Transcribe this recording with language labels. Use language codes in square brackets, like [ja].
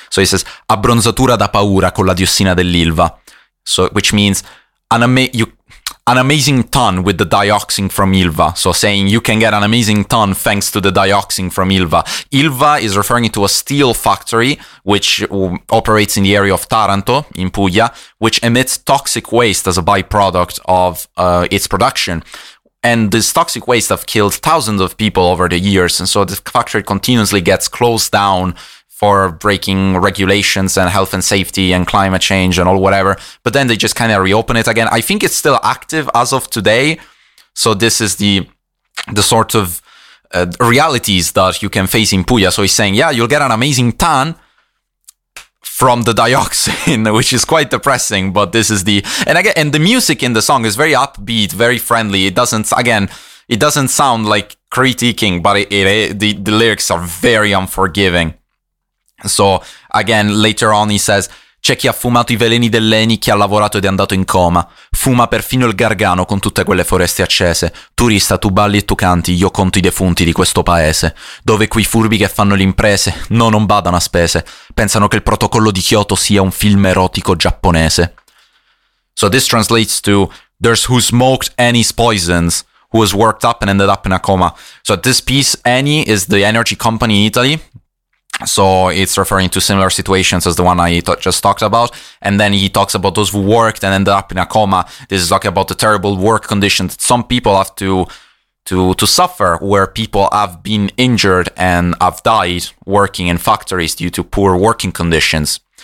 [en] So he says, [it] abbronzatura da paura con la diossina dell'Ilva. [en] So, which means an amazing tan with the dioxin from Ilva. So saying you can get an amazing tan thanks to the dioxin from Ilva. Ilva is referring to a steel factory which operates in the area of Taranto in Puglia, which emits toxic waste as a byproduct of its production. And this toxic waste have killed thousands of people over the years. And so this factory continuously gets closed down for breaking regulations and health and safety and climate change and all whatever. But then they just kind of reopen it again. I think it's still active as of today. So this is the sort of realities that you can face in Puglia. So he's saying, yeah, you'll get an amazing tan from the dioxin, which is quite depressing. But this is the... And again, and the music in the song is very upbeat, very friendly. It doesn't, again, it doesn't sound like critiquing, but the lyrics are very unforgiving. So again, later on he says, [it] c'è chi ha fumato i veleni dell'Eni, chi ha lavorato ed è andato in coma. Fuma perfino il Gargano con tutte quelle foreste accese. Turista, tu balli e tu canti, io conto i defunti di questo paese. Dove quei furbi che fanno le imprese, no, non badano a spese. Pensano che il protocollo di Kyoto sia un film erotico giapponese. [en] So this translates to, there's who smoked Eni's poisons, who was worked up and ended up in a coma. So this piece, Eni is the energy company in Italy. So it's referring to similar situations as the one I just talked about. And then he talks about those who worked and ended up in a coma. This is talking about the terrible work conditions that some people have to suffer, where people have been injured and have died working in factories due to poor working conditions.